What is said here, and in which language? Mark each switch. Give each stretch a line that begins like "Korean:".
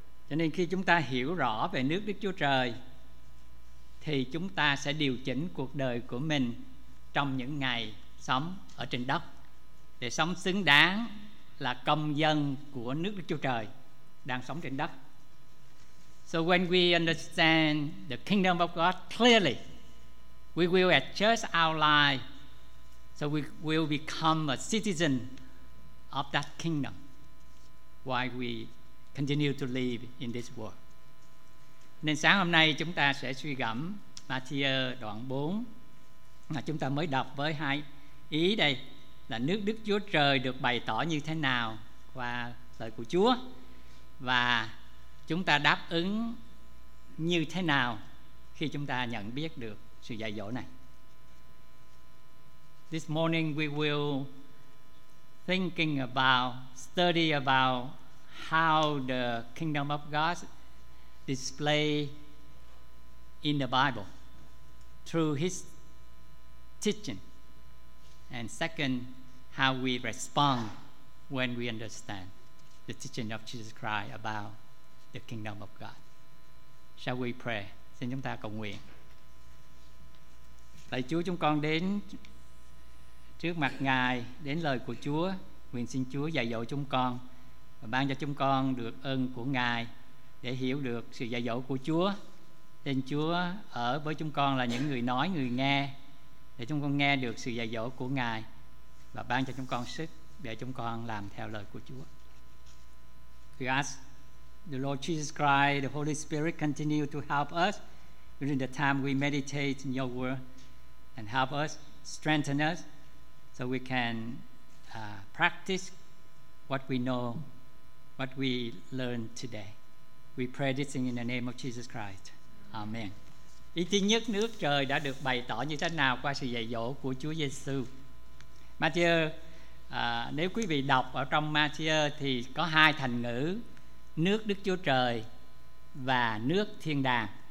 Vietnamese: Cho nên khi chúng ta hiểu rõ về nước Đức Chúa Trời thì chúng ta sẽ điều chỉnh cuộc đời của mình trong những ngày sống ở trên đất để sống xứng đáng là công dân của nước Đức Chúa Trời đang sống trên đất.
English: So when we understand the kingdom of God clearly, we will adjust our life so we will become a citizen of that kingdom while we continue to live in this world.
Vietnamese: Nên sáng hôm nay chúng ta sẽ suy gẫm Matthew đoạn 4 mà chúng ta mới đọc với hai ý đây, là nước Đức Chúa Trời được bày tỏ như thế nào qua lời của Chúa và chúng ta đáp ứng như thế nào khi chúng ta nhận biết được sự dạy dỗ này.
English: This morning we will thinking about, study about how the kingdom of God display in the Bible through his teaching, and second, how we respond when we understand the teaching of Jesus Christ about the kingdom of God. Shall we pray?
Vietnamese: Xin chúng ta cầu nguyện. Lạy Chúa, chúng con đến trước mặt Ngài, đến lời của Chúa, nguyện xin Chúa dạy dỗ chúng con và ban cho chúng con được ơn của Ngài để hiểu được sự dạy dỗ của Chúa. Xin Chúa ở với chúng con là những người nói, người nghe, để chúng con nghe được sự dạy dỗ của Ngài và ban cho chúng con sức để chúng con làm theo lời của Chúa.
English: We ask the Lord Jesus Christ, the Holy Spirit, continue to help us during the time we meditate in your word and help us, strengthen us, so we can practice what we know, what we learn today. We pray this thing in the name of Jesus Christ. Amen.
Vietnamese: Ý thứ nhất, nước trời đã được bày tỏ như thế nào qua sự dạy dỗ của Chúa Giê-xu. Matthew, nếu quý vị đọc ở trong Matthew thì có hai thành ngữ, nước Đức Chúa Trời và nước thiên đàng.